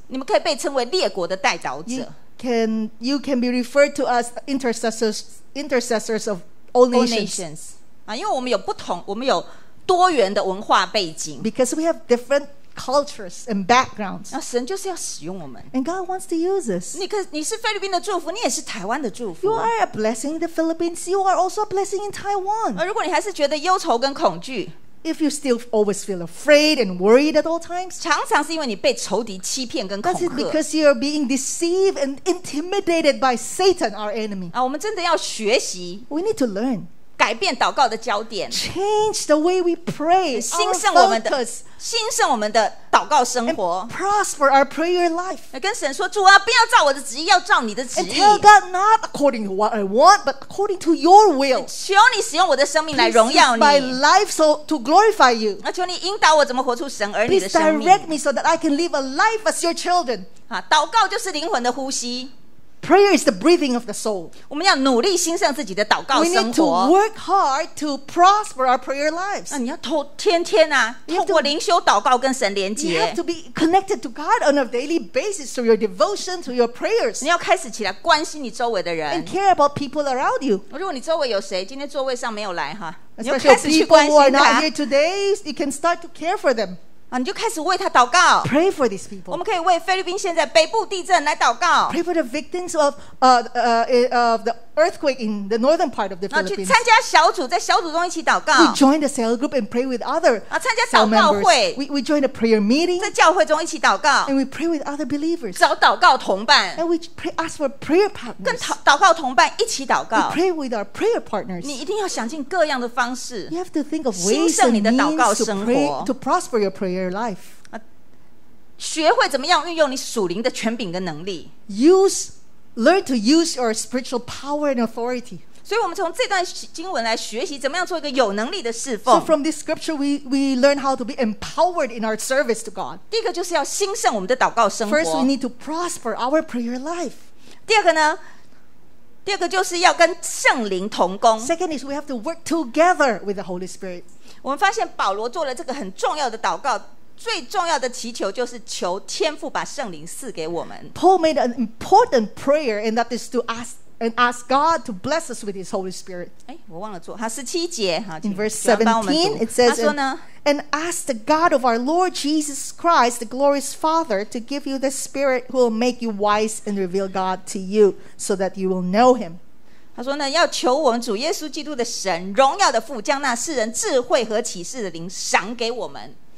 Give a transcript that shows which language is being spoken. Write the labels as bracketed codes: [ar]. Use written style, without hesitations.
[zh] 你们可以被称为列国的代祷者。 [en] You can be referred to as intercessors of all nations. [zh] 因为我们有不同，我们有多元的文化背景。 [en] Because we have different cultures and backgrounds. [zh] 神就是要使用我们。 [en] And God wants to use us. [zh] 你是菲律宾的祝福，你也是台湾的祝福。 [en] You are a blessing in the Philippines. You are also a blessing in Taiwan. [zh] 而如果你还是觉得忧愁跟恐惧。 [en] If you still always feel afraid and worried at all times, [zh] 常常是因为你被仇敌欺骗跟恐吓。 [en] That's because you are being deceived and intimidated by Satan, our enemy. [zh] 我们真的要学习。 [en] We need to learn. [zh] 改变祷告的焦点。 [en] Change the way we pray. [zh] 兴盛我们的祷告生活。 [en] And prosper our prayer life. [zh] 跟神说，主啊，不要照我的旨意，要照你的旨意。 [en] And tell God not according to what I want, but according to your will. [zh] 求你使用我的生命来荣耀你。 [en] Please use my life so to glorify you. [zh] 求你引导我怎么活出神儿女的生命。 [en] Please direct me so that I can live a life as your children. [zh] 祷告就是灵魂的呼吸。 [en] Prayer is the breathing of the soul. [zh] 我们要努力兴盛自己的祷告生活。 [en] We need to work hard to prosper our prayer lives. [zh] 你要天天透过灵修祷告跟神连接。 [en] You have to be connected to God on a daily basis through your devotion, through your prayers. [zh] 你要开始起来关心你周围的人。 [en] And care about people around you. [zh] 如果你周围有谁今天座位上没有来哈， [en] Especially people who are not here today, you can start to care for them. [zh] 你就开始为他祷告。 [en] Pray for these people. [zh] 我们可以为菲律宾现在北部地震来祷告。 [en] Pray for the victims of the earthquake in the northern part of the Philippines. [zh] 去参加小组, 在小组中一起祷告, [en] we joined a cell group and prayed with other [zh] 啊, 参加祷告会, [en] cell members. We joined a prayer meeting. [zh] 在教会中一起祷告, [en] and we prayed with other believers. [zh] 找祷告同伴, [en] and we asked for prayer partners. [zh] 跟祷告同伴一起祷告, [en] we prayed with our prayer partners. [zh] 你一定要想尽各样的方式, [en] you have to think of ways and means to pray, to prosper your prayer life. [zh] 学会怎么样运用你属灵的权柄跟能力。 [en] Learn to use your spiritual power and authority. [zh] 所以我们从这段经文来学习怎么样做一个有能力的侍奉。 [en] So from this scripture we learn how to be empowered in our service to God. [zh] 第一个就是要兴盛我们的祷告生活。 [en] First we need to prosper our prayer life. [zh] 第二个呢, 第二个就是要跟圣灵同工。 [en] Second is we have to work together with the Holy Spirit. [zh] 我们发现保罗做了这个很重要的祷告, 最重要的祈求就是求天父把圣灵赐给我们。 [en] Paul made an important prayer, and that is to ask God to bless us with His Holy Spirit. [zh] 哎，我忘了做。好，十七节。 [en] In verse 17, it says, [zh] 他说呢, [en] and ask the God of our Lord Jesus Christ, the glorious Father, to give you the Spirit who will make you wise and reveal God to you, so that you will know Him. [zh] 他说呢，要求我们主耶稣基督的神，荣耀的父，将那世人智慧和启示的灵赏给我们。